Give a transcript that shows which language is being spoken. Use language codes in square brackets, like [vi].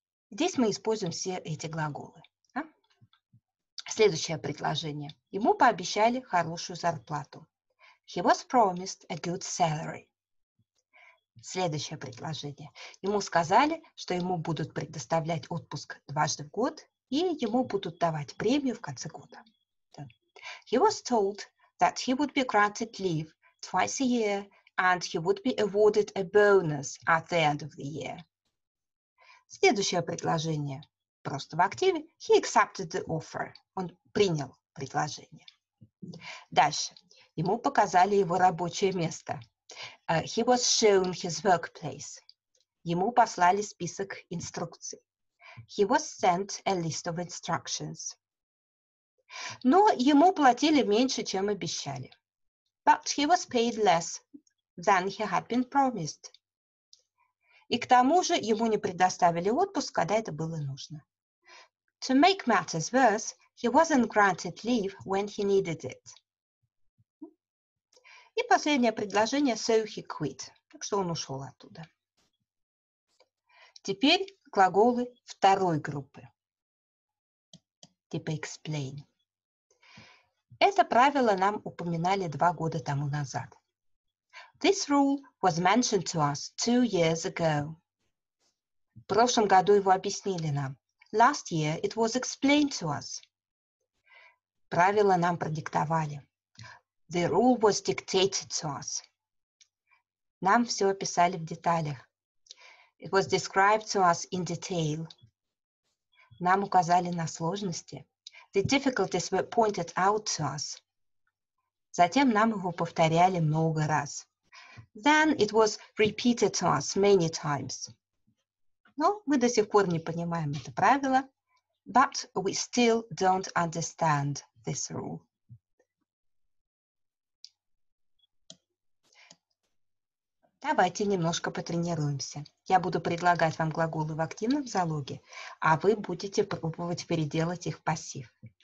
[ru] Здесь мы используем все эти глаголы. Да? Следующее предложение. Ему пообещали хорошую зарплату. [en] He was promised a good salary. [ru] Следующее предложение. Ему сказали, что ему будут предоставлять отпуск дважды в год и ему будут давать премию в конце года. [en] He was told that he would be granted leave twice a year and he would be awarded a bonus at the end of the year. [ru] Следующее предложение. Просто в активе. [en] He accepted the offer. [ru] Он принял предложение. Дальше. Ему показали его рабочее место. [en] He was shown his workplace. [ru] Ему послали список инструкций. [en] He was sent a list of instructions. [ru] Но ему платили меньше, чем обещали. [en] But he was paid less than he had been promised. [ru] И к тому же ему не предоставили отпуск, когда это было нужно. [en] To make matters worse, he wasn't granted leave when he needed it. [ru] И последнее предложение, [en] so he quit. [ru] Так что он ушел оттуда. Теперь глаголы второй группы. Типа explain. Это правило нам упоминали 2 года тому назад. [en] This rule was mentioned to us 2 years ago. [ru] В прошлом году его объяснили нам. [en] Last year it was explained to us. [ru] Правила нам продиктовали. [en] The rule was dictated to us. [ru] Нам все описали в деталях. [en] It was described to us in detail. [ru] Нам указали на сложности. [en] The difficulties were pointed out to us. [ru] Затем нам его повторяли много раз. [en] Then it was repeated to us many times. [ru] Но мы до сих пор не понимаем это правило. [en] But we still don't understand this rule. [ru] Давайте немножко потренируемся. Я буду предлагать вам глаголы в активном залоге, а вы будете пробовать переделать их в пассив.